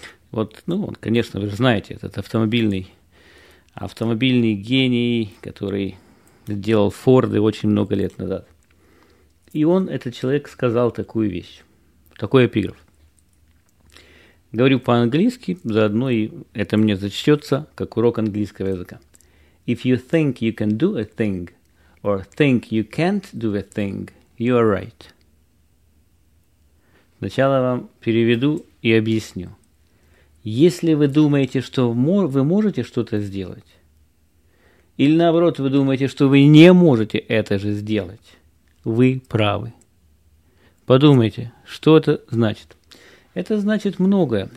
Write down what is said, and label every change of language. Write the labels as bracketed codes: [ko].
[ru] Вот, ну, он, конечно, вы же знаете, этот автомобильный гений, который сделал Форды очень много лет назад. И он, этот человек, сказал такую вещь, такой эпиграф. Говорю по-английски, заодно и это мне зачтется как урок английского языка. [en] If you think you can do a thing, or think you can't do a thing, you are right. [ru] Сначала вам переведу и объясню. Если вы думаете, что вы можете что-то сделать, или наоборот, вы думаете, что вы не можете это же сделать, вы правы. Подумайте, что это значит. Это значит многое.